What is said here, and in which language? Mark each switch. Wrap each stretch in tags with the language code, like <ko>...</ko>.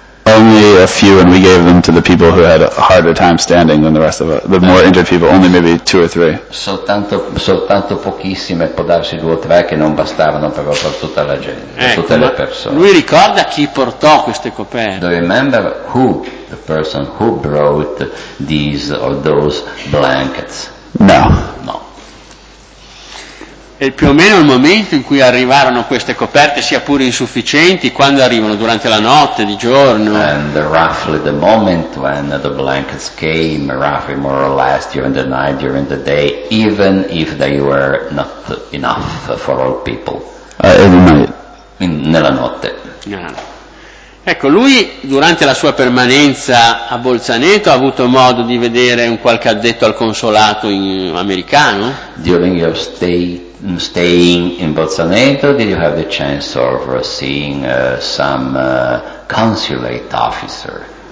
<en>Only a few, and we gave them to the people who had a harder time standing than the rest of us. The more injured people, only maybe two or three.</en> <it>Soltanto pochissime, può darsi due o tre che non bastavano proprio per tutta la gente, tutte le persone. Lui ricorda chi portò queste coperte.</it> <en>Do you remember who the person who brought these or those blankets? No.</en> <it>E più o meno il momento in cui arrivarono queste coperte, sia pure insufficienti, quando arrivano durante la notte, di giorno.</it> <en>And roughly the moment when the blankets came, roughly more or less during the night, during the day, even if they were not enough for all people.</en> <it>Nella notte. Ecco, lui durante la sua permanenza a Bolzaneto ha avuto modo di vedere un qualche addetto al consolato americano?</it> <en>During your staying in Bolzaneto, did you have the chance of seeing some consulate officer?</en>